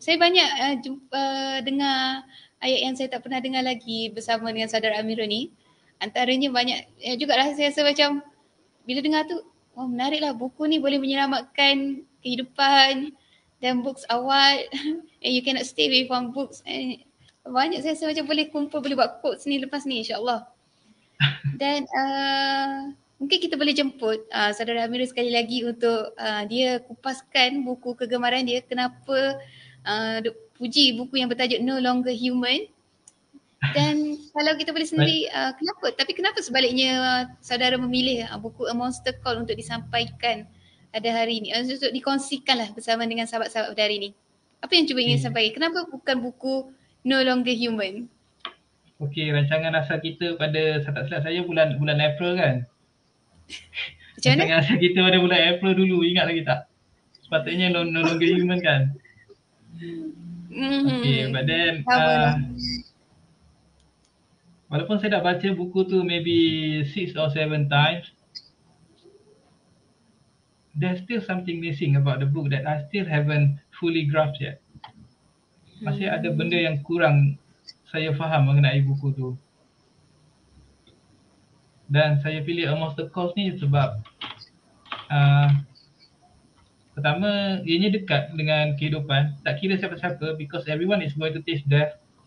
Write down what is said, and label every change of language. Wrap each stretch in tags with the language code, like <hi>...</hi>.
<ms>Saya banyak dengar ayat yang saya tak pernah dengar lagi bersama dengan saudara Amirul ni. Antaranya banyak juga lah, saya rasa macam bila dengar tu, wah, menariklah, buku ni boleh menyelamatkan kehidupan. Dan books awal,</ms> <en>and you cannot stay away from books.</en> <ms>And banyak, saya rasa macam boleh kumpul, boleh buat quotes ni lepas ni, insyaAllah. Dan mungkin kita boleh jemput saudara Amirul sekali lagi untuk dia kupaskan buku kegemaran dia. Kenapa puji buku yang bertajuk No Longer Human. Dan kalau kita boleh sendiri, kenapa sebaliknya saudara memilih buku A Monster Call untuk disampaikan pada hari ini, untuk dikongsikanlah bersama dengan sahabat-sahabat pada hari ini? Apa yang cuba ingin sampaikan? Kenapa bukan buku No Longer Human? Okey, rancangan asal kita pada, saya tak silap saya, bulan April kan? Macam mana? Rancangan asal kita pada bulan April dulu, ingat lagi tak? Sepatutnya No Longer Human kan?</ms> <en>Okey, but then</en> <ms>walaupun saya dah baca buku tu</ms> <en>maybe 6 or 7 times, there's still something missing about the book that I still haven't fully grasped yet.</en> <ms>Masih ada benda yang kurang saya faham mengenai buku tu. Dan saya pilih A Monster Calls ni sebab pertama, ianya dekat dengan kehidupan. Tak kira siapa-siapa,</ms> <en>because everyone is going to taste death.</en>